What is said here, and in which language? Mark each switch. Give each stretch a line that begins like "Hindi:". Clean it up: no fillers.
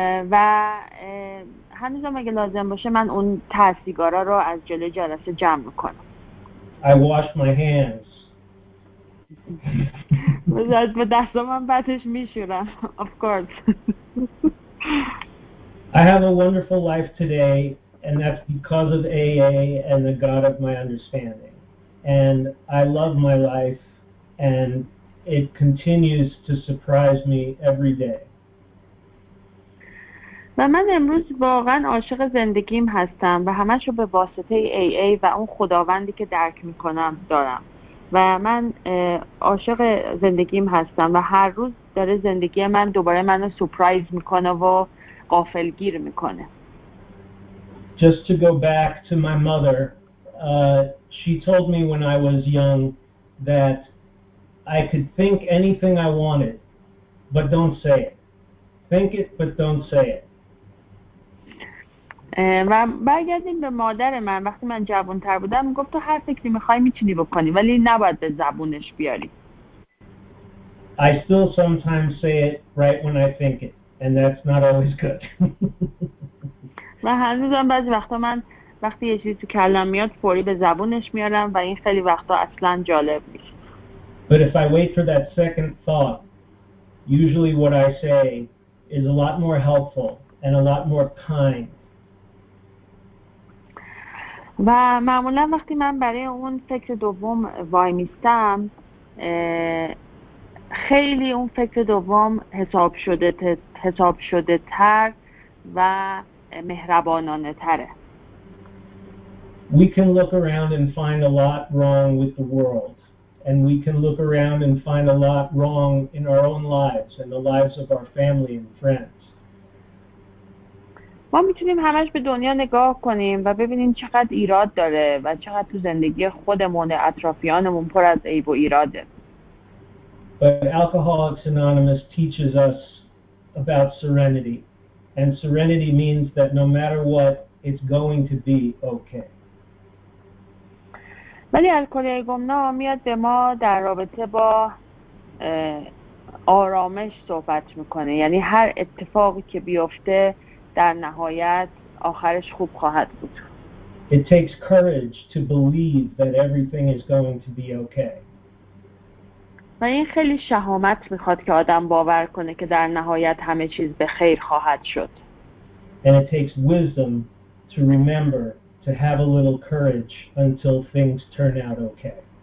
Persian: و هنوزم اگه لازم باشه من اون ته سیگارا رو از جلوی جلسه جمع می‌کنم.
English: I wash my hands.
Persian: بذارت به دستم هم بعدش میشورم.
English: Of course I have a wonderful life today and that's because of AA and the God of my understanding and I love my life and it continues to surprise me every day.
Persian: و من امروز واقعا عاشق زندگیم هستم و همش رو به واسطه AA و اون خداوندی که درک میکنم دارم و من عاشق زندگیم هستم و هر روز داره زندگی من دوباره منو سورپرایز میکنه و غافلگیر میکنه.
English: Just to go back to my mother, she told me when I was young that I could think anything I wanted, but don't say it. Think it, but don't say it.
Persian: و برگردیم به مادر من، وقتی من جوان تر بودم گفت تو هر فکری میخوای میتونی بکنی ولی نباید به زبونش بیاری.
English: I still sometimes say it right when I think it and that's not always good.
Persian: و هنوزم بعضی وقتا من وقتی یه چیزی تو کلم میاد فوری به زبونش میارم و این خیلی وقتا اصلا جالب نیست.
English: But if I wait for that second thought, usually what I say is a lot more helpful and a lot more kind.
Persian: و معمولا وقتی من برای اون فکر دوم وای میستم خیلی اون فکر دوم حساب شده تر و مهربانانه تره.
English: We can look around and find a lot wrong with the world and we can look around and find a lot wrong in our own lives and the lives of our family and friends.
Persian: ما میتونیم همش به دنیا نگاه کنیم و ببینیم چقدر ایراد داره و چقدر تو زندگی خودمون اطرافیانمون پر از عیب و ایراده.
English: But Alcoholics Anonymous teaches us about serenity and serenity means that no matter what it's going to be okay.
Persian: ولی الکلی گمنام میاد به ما در رابطه با آرامش صحبت میکنه، یعنی هر اتفاقی که بیفته در نهایت آخرش خوب خواهد بود.
English: It takes courage to believe that everything is going to be okay.
Persian: و این خیلی شهامت میخواد که آدم باور کنه که در نهایت همه چیز به خیر خواهد شد.
English: And it takes wisdom to remember to have a little courage until things turn out okay.